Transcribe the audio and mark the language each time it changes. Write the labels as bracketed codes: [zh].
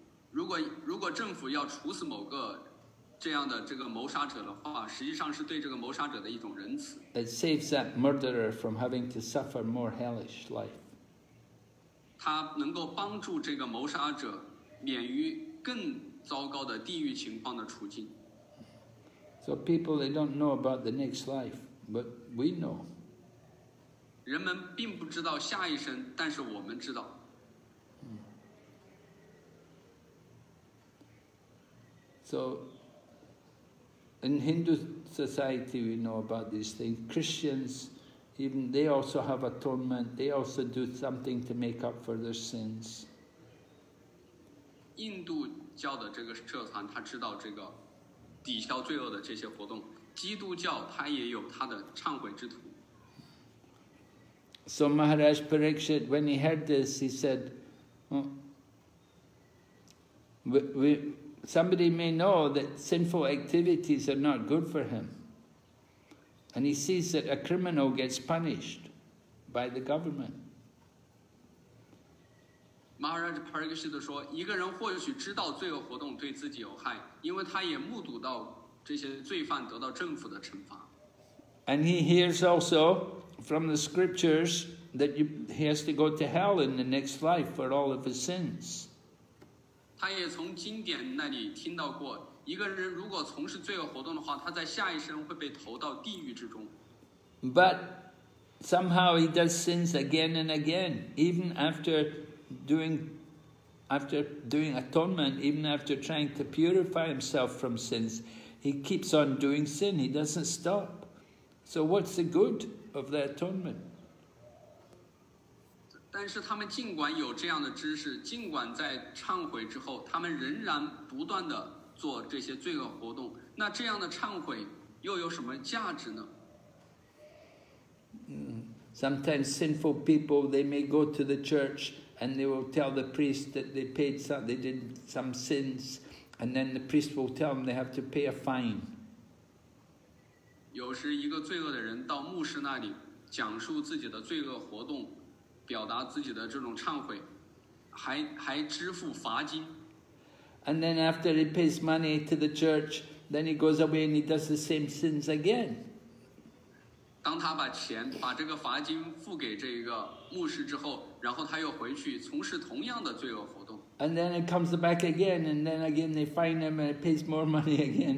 [zh] 如果政府要处死某个这样的这个谋杀者的话，实际上是对这个谋杀者的一种仁慈。 [en] It saves that murderer from having to suffer more hellish life. [zh] 他能够帮助这个谋杀者免于更糟糕的地狱情况的处境。 [en] So people, they don't know about the next life, but we know. [zh] 人们并不知道下一生，但是我们知道。 [en] So. In Hindu society, we know about these things. Christians, even they also have atonement. They also do something to make up for their sins. [zh] 印度教的这个社团，他知道这个抵消罪恶的这些活动。基督教他也有他的忏悔之徒。 [en] So Maharaj Parikshit, when he heard this, he said, Somebody may know that sinful activities are not good for him. And he sees that a criminal gets punished by the government. [zh] Maharaj Parikshit 说，一个人或许知道罪恶活动对自己有害，因为他也目睹到这些罪犯得到政府的惩罚。 [en] And he hears also from the scriptures that he has to go to hell in the next life for all of his sins. [zh] 他也从经典那里听到过，一个人如果从事罪恶活动的话，他在下一生会被投到地狱之中。 [en] But somehow he does sins again and again, even after doing atonement, even after trying to purify himself from sins, he keeps on doing sin. He doesn't stop. So what's the good of the atonement? [zh] 但是他们尽管有这样的知识，尽管在忏悔之后，他们仍然不断地做这些罪恶活动。那这样的忏悔又有什么价值呢？ [en] Sometimes sinful people, they may go to the church and they will tell the priest that they did some sins, and then the priest will tell them they have to pay a fine. [zh] 有时一个罪恶的人到牧师那里讲述自己的罪恶活动。表达自己的这种忏悔，还支付罚金。 [en] And then after he pays money to the church, then he goes away and he does the same sins again. [zh] 当他把钱把这个罚金付给这个牧师之后，然后他又回去从事同样的罪恶活动。 [en] And then it comes back again, and then again they find him and pays more money again.